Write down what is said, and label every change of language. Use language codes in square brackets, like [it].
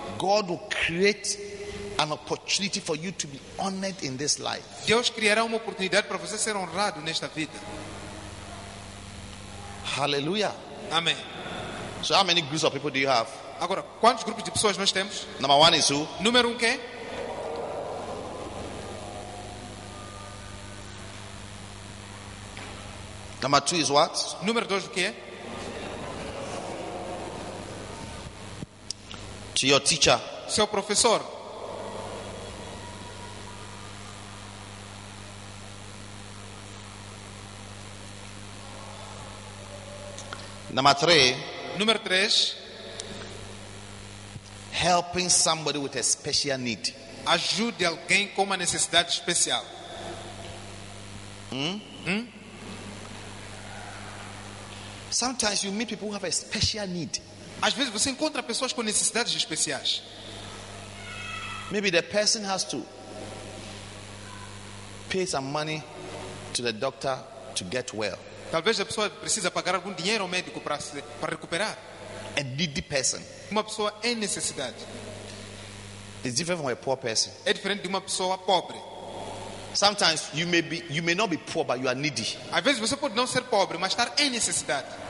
[en] God will create an opportunity for you to be honored in this life. [pt] Deus criará uma oportunidade para você ser honrado nesta vida. [en] Hallelujah. [pt] Amém. [en] So how many groups of people do you have? [pt] Agora, quantos grupos de pessoas nós temos? [en] Number one is who? [pt] Número um quem? [en] Number two is what? [pt] Número dois o quê? [en] To your teacher. [pt] Seu professor. [en] Number three. [pt] Número três. [en] Helping somebody with a special need. [pt] Ajude alguém com uma necessidade especial. [en] Sometimes you meet people who have a special need. [pt] Às vezes você encontra pessoas com necessidades especiais. [en] Maybe the person has to pay some money to the doctor to get well. [pt] Talvez a pessoa precisa pagar algum dinheiro ao médico para recuperar. [en] A needy person. [pt] Uma pessoa em necessidade. [en] It's different from a poor person. [pt] É diferente de uma pessoa pobre. [en] Sometimes you may not be poor, but you are needy. [pt] Às vezes você pode não ser pobre, mas estar em necessidade.